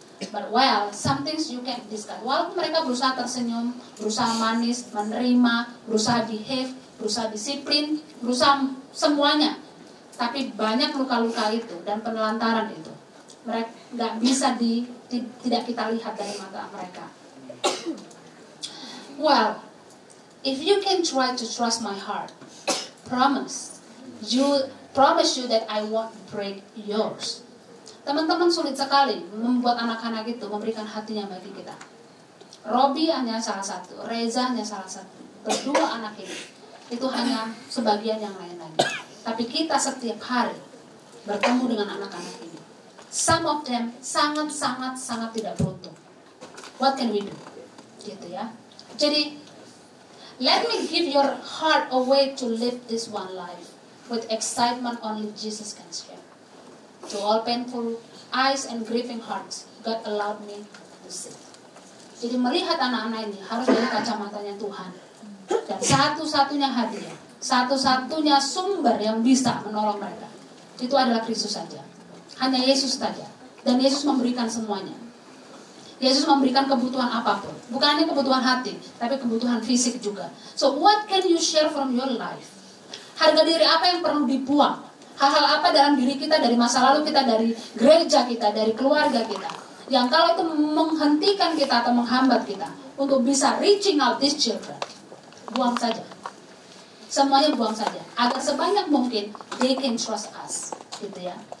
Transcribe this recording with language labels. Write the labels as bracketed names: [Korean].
[English] But well, some things you can't discuss. [Indonesian] Walaupun mereka berusaha tersenyum, berusaha manis, menerima, berusaha behave, berusaha disiplin, berusaha semuanya. Tapi banyak luka-luka itu dan penelantaran itu, mereka gak bisa tidak kita lihat dari mata mereka. [English] Well, if you can try to trust my heart, promise you that I won't break yours. [Indonesian] Teman-teman, sulit sekali membuat anak-anak itu memberikan hatinya bagi kita. Robby hanya salah satu, Reza hanya salah satu. Berdua anak ini, itu hanya sebagian yang lain lagi. Tapi kita setiap hari bertemu dengan anak-anak ini. [English] Some of them [Indonesian] sangat-sangat-sangat tidak beruntung. [English] What can we do? [Indonesian] Gitu ya. [English] Jadi, let me give your heart a way to live this one life with excitement only Jesus can share. To all painful eyes and grieving hearts, God allowed me to see. [Indonesian] Jadi melihat anak-anak ini harus dari kacamatanya Tuhan. Dan satu-satunya hadiah, satu-satunya sumber yang bisa menolong mereka, itu adalah Kristus saja. Hanya Yesus saja. Dan Yesus memberikan semuanya. Yesus memberikan kebutuhan apapun. Bukan hanya kebutuhan hati, tapi kebutuhan fisik juga. [English] So what can you share from your life? [Indonesian] Harga diri apa yang perlu dibuang? Hal-hal apa dalam diri kita, dari masa lalu kita, dari gereja kita, dari keluarga kita, yang kalau itu menghentikan kita atau menghambat kita untuk bisa [English] reaching out these children, [Indonesian] buang saja. Semuanya buang saja. Agar sebanyak mungkin [English] they can trust us. [Indonesian] Gitu ya.